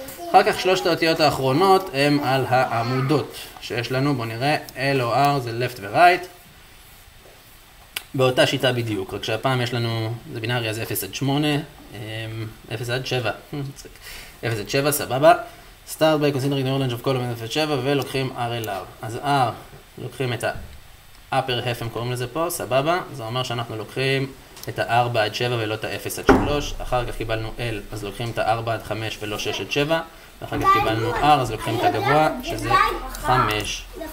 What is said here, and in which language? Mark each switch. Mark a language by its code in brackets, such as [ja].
[he] אחר כך שלושת האותיות האחרונות הם על העמודות שיש לנו. בוא נראה, L או R זה left ו-right, באותה שיטה בדיוק, רק שהפעם יש לנו, זה בינארי, אז 0 עד 8, 0 עד 7, 0 עד 7, סבבה. [en] Start by considering the range of column [he] 0 עד 7 ולוקחים R אל R. אז R, לוקחים את ה-upper half, הם קוראים לזה פה, סבבה. זה אומר שאנחנו לוקחים את ה-4 עד 7 ולא את ה-0 עד 3. אחר כך קיבלנו L, אז לוקחים את ה-4 עד 5 ולא 6 עד 7. ואחר כך קיבלנו R, אז לוקחים את הגבוה, שזה 5.